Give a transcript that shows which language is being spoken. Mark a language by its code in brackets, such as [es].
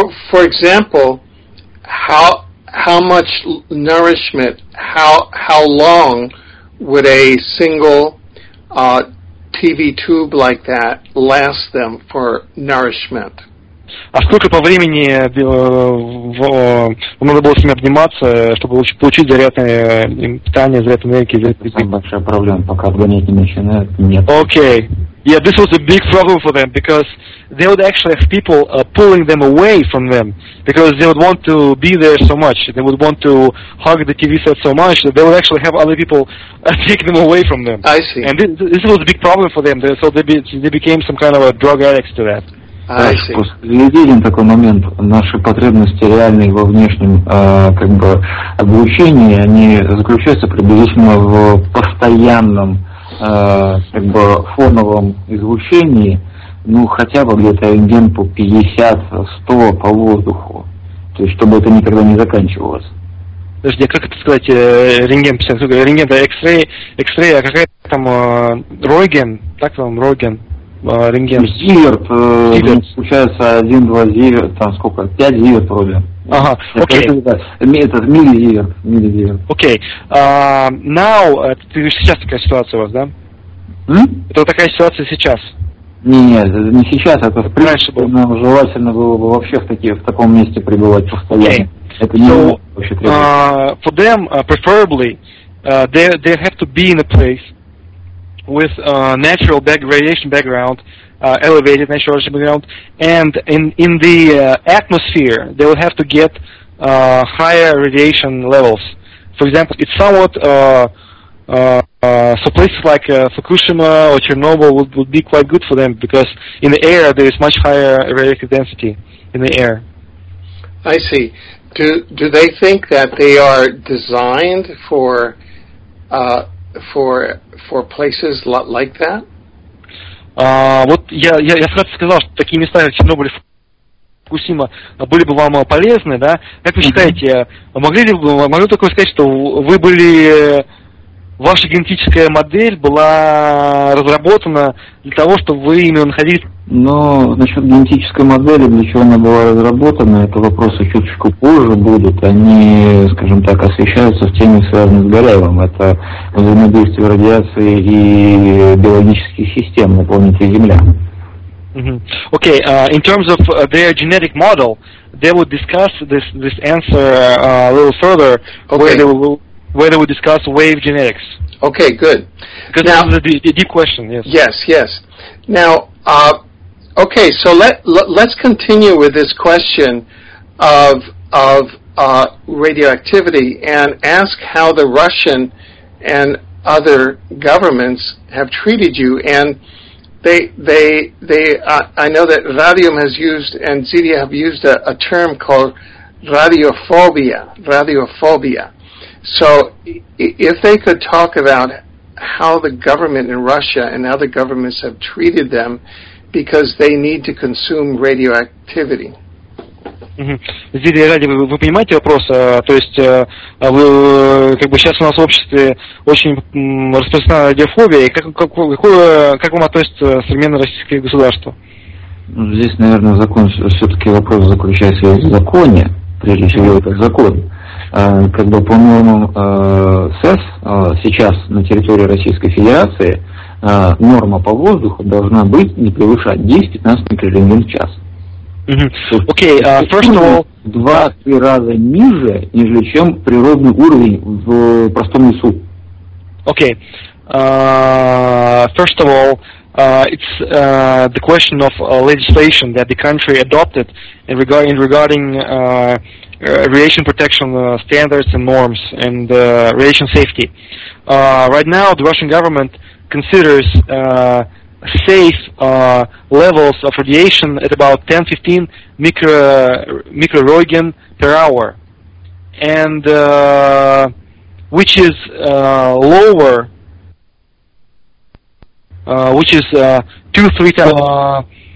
[en] For example, how much nourishment, how long would a single TV tube like that last them for nourishment? [ru] А сколько по времени надо было с ними обниматься, чтобы получить зарядное питание, зарядное энергии? Это самая большая проблема, пока обгонять не начинают, нет. [en] Okay. Yeah, this was a big problem for them, because they would actually have people pulling them away from them, because they would want to be there so much, they would want to hug the TV set so much, that they would actually have other people take them away from them. I see. And this was a big problem for them, so they became some kind of a drug addict to that. [ru] Видим такой момент, наши потребности реальные во внешнем как бы облучении, они заключаются приблизительно в постоянном как бы фоновом излучении, ну хотя бы где-то рентген по 50-100 по воздуху, то есть чтобы это никогда не заканчивалось. Подожди, а как это сказать, рентген 50, рентген, да, X-ray, а какая там Ройген, так вам Ройген? Рентген. Зиверт, получается 1-2 зиверт, там сколько? 5 зиверт вроде. Ага, окей. Okay. Это миллизиверт. Окей. Now, ты говоришь, сейчас такая ситуация у вас, да? Это такая ситуация сейчас? Нет, не сейчас, это в принципе, нам желательно было бы вообще в таком месте пребывать постоянно. [en] Okay. [ru] Это не вообще требуется. [en] For them, preferably, they have to be in a place with natural radiation background, elevated natural radiation background, and in the atmosphere, they will have to get higher radiation levels. For example, it's somewhat so places like Fukushima or Chernobyl would be quite good for them, because in the air there is much higher radiation density in the air. I see. Do they think that they are designed for places like that? [ru] Вот я вкратце сказал, что такие места, как Чернобыль, Фукусима, были бы вам полезны, да? Как вы считаете, могли бы такое сказать, что вы были, ваша генетическая модель была разработана для того, чтобы вы именно находились... Ну, насчет генетической модели, для чего она была разработана, это вопросы чуточку позже будут. Они, скажем так, освещаются в теме, связанной с Горяевым. Это взаимодействие радиации и биологических систем на планете Земля. [en] Okay, in terms of their genetic model, they would discuss this answer a little further. Okay. Whether we discuss wave genetics. Okay, good. Because now, this is a deep question, yes. Yes, yes. Now, okay, so let's continue with this question of radioactivity and ask how the Russian and other governments have treated you. And they I know that Radium has used, and Zidia have used a term called radiophobia. So, if they could talk about how the government in Russia and other governments have treated them because they need to consume radioactivity. [ru] Здесь ради вы понимаете вопрос, то есть вы как бы сейчас у нас в обществе очень распространена радиофобия, и как вам относится современное российское государство? Здесь, наверное, закон все-таки вопрос заключается в законе, прежде всего это закон. Как бы по моему СЭС сейчас на территории Российской Федерации норма по воздуху должна быть не превышать 10-15 микрорентген в час. [en] Mm-hmm. Okay, first of all, [ru] 2-3 раза ниже, нежели чем природный уровень в простом лесу. [en] Okay. First of all, it's the question of legislation that the country adopted regarding radiation protection standards and norms and radiation safety. Right now the Russian government considers safe levels of radiation at about 10-15 microrentgen per hour, and which is lower, which is 2-3 times.